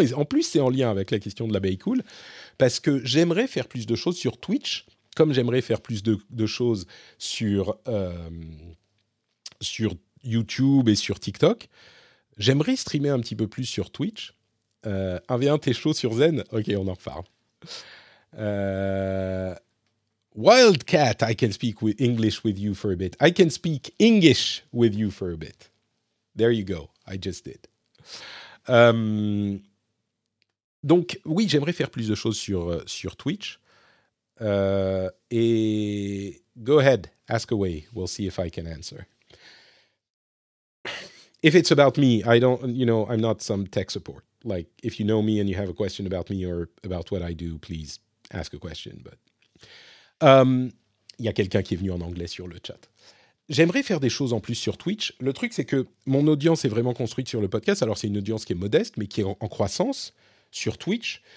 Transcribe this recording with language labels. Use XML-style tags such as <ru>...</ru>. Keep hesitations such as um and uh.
<fr>Et en plus, c'est en lien avec la question de la l'abeille cool. Parce que j'aimerais faire plus de choses sur Twitch comme j'aimerais faire plus de, de choses sur, euh, sur, YouTube et sur TikTok, j'aimerais streamer un petit peu plus sur Twitch. Euh, un V1 t'es chaud sur Zen Ok, on en reparle.</fr> <en>Euh, Wildcat, I can speak English with you for a bit. I can speak English with you for a bit. There you go, I just did.</en> <fr>Euh, donc, oui, j'aimerais faire plus de choses sur, sur Twitch.</fr> <en>Uh, et go ahead, ask away. We'll see if I can answer. If it's about me, I don't, you know, I'm not some tech support. Like, if you know me and you have a question about me or about what I do, please ask a question. But.</en> <fr>Um, il y a quelqu'un qui est venu en anglais sur le chat. J'aimerais faire des choses en plus sur Twitch. Le truc, c'est que mon audience est vraiment construite sur le podcast. Alors, c'est une audience qui est modeste, mais qui est en, croissance sur Twitch.</fr>